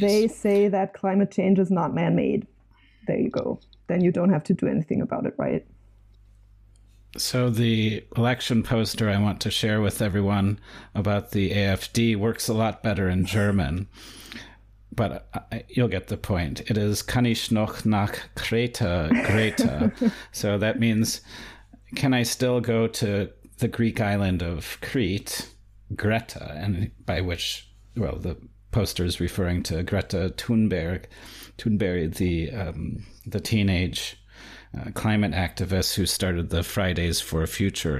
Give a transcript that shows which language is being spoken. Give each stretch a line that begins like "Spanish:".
English: Yeah, they say that climate change is not man-made. There you go. Then you don't have to do anything about it, right? So the election poster I want to share with everyone about the AFD works a lot better in German. But you'll get the point. It is,
German: kann ich noch nach Kreta, Kreta.
English: So that means, can I still go to the Greek island of Crete, Greta, and by which, well, the poster is referring to Greta Thunberg, the teenage climate activist who started the Fridays for Future